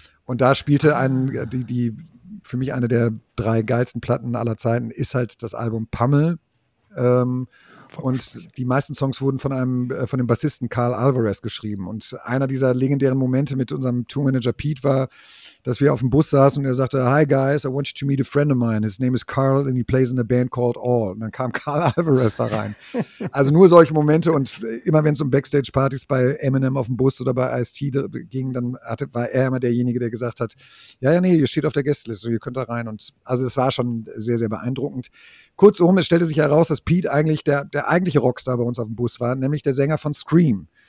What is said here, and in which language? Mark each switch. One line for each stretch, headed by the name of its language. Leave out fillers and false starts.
German: Und da spielte die für mich eine der drei geilsten Platten aller Zeiten, ist halt das Album Pummel. Und die meisten Songs wurden von dem Bassisten Carl Alvarez geschrieben. Und einer dieser legendären Momente mit unserem Tourmanager Pete war, dass wir auf dem Bus saßen und er sagte,
English: "Hi guys, I want you to meet a friend of mine. His name is Carl and he plays in a band called All."
German: Und dann kam Carl Alvarez da rein. Also nur solche Momente. Und immer wenn es um Backstage-Partys bei Eminem auf dem Bus oder bei Ice-T ging, dann war er immer derjenige, der gesagt hat, ja, ihr steht auf der Gästeliste, ihr könnt da rein. Und also es war schon sehr, sehr beeindruckend. Kurzum, es stellte sich heraus, dass Pete eigentlich der eigentliche Rockstar bei uns auf dem Bus war, nämlich der Sänger von Scream.